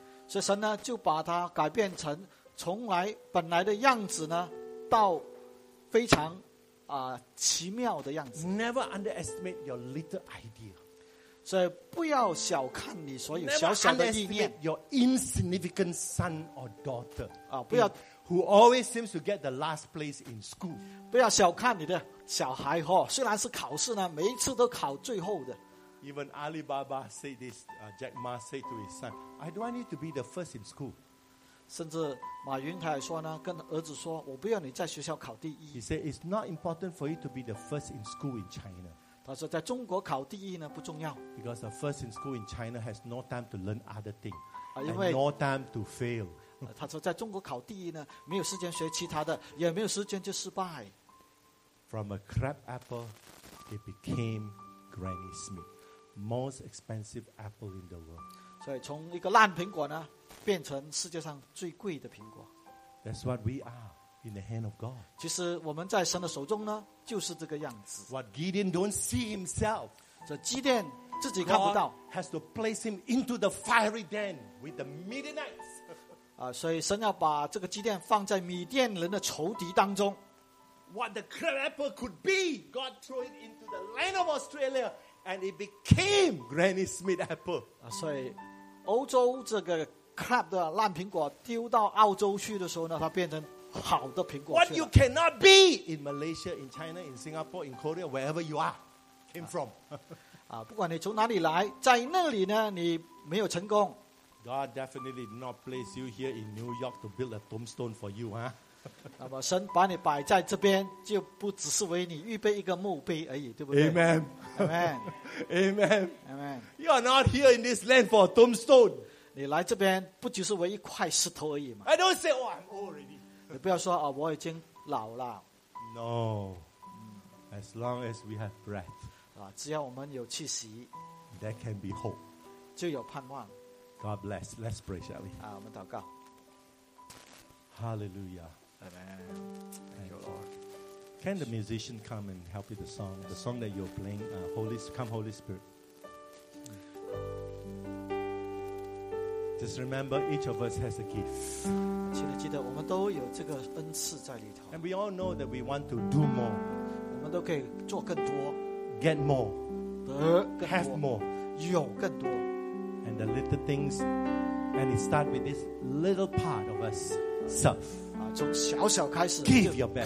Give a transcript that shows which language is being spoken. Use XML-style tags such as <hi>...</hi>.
<zh>所以神呢就把它改变成从来本来的样子呢到非常、奇妙的样子</zh> <en>Never underestimate your little idea</en> <zh>所以不要小看你所有小小的意念</zh> <en>your insignificant son or daughter</en> <zh>啊，不要</zh> <en>Who always seems to get the last place in school?</en> <zh>不要小看你的小孩哦，虽然是考试呢，每一次都考最后的。</zh> <en>Even Alibaba said this. Jack Ma said to his son, "I don't need to be the first in school."</en> <zh>甚至马云他也说呢，跟儿子说，我不要你在学校考第一。</zh> <en>He said, "It's not important for you to be the first in school in China."</en> <zh>他说在中国考第一呢不重要。</zh> <en>Because the first in school in China has no time to learn other things and no time to fail.</en> <zh>他说在中国考第一呢没有时间学其他的也没有时间就失败</zh> <en>From a crab apple it became Granny Smith most expensive apple in the world</en> <zh>所以从一个烂苹果呢变成世界上最贵的苹果</zh> <en>That's what we are in the hand of God</en> <zh>其实我们在神的手中呢就是这个样子</zh> <en>What Gideon don't see himself</en> <zh>这基甸自己看不到</zh> <en>God has to place him into the fiery den with the Midianites</en> <zh>所以神要把这个基甸放在米甸人的仇敌当中。</zh> <en>What the crab apple could be, God threw it into the land of Australia, and it became Granny Smith apple.</en> <zh>所以欧洲这个 crab 的烂苹果丢到澳洲去的时候呢，它变成好的苹果去了。</zh> <en>What you cannot be in Malaysia, in China, in Singapore, in Korea, wherever you are, came from.</en> <zh>不管你从哪里来，在那里呢，你没有成功。</zh> <en>God definitely did not place you here in New York to build a tombstone for you, huh?</en> <zh>那么神把你摆在这边，就不只是为你预备一个墓碑而已，对不对</zh> <en>？Amen. Amen. Amen. Amen. You are not here in this land for a tombstone.</en> <zh>你来这边不就是为一块石头而已吗</zh> <en>？I don't say, oh, I'm old already.</en> <zh>你不要说啊，我已经老了。</zh> <en>No. As long as we have breath.</en> <zh>只要我们有气息</zh> <en>，there can be hope.</en> <zh>就有盼望。</zh> <en>God bless. Let's pray, shall we?</en> <zh>我们祷告。</zh> <en>Hallelujah. Amen. Thank you, Lord. Can the musician come and help with the song? The song that you're playing, Come Holy Spirit. Just remember, each of us has a gift.</en> <zh>记得我们都有这个恩赐在里头。</zh> <en>And we all know that we want to do more.</en> <zh>我们们都可以做更多</zh> <en>get more have more</en> <zh>有更多</zh> <en>and the little things and it start with this little part of us self</en> <zh>小小开始</zh> <en>give your best</en>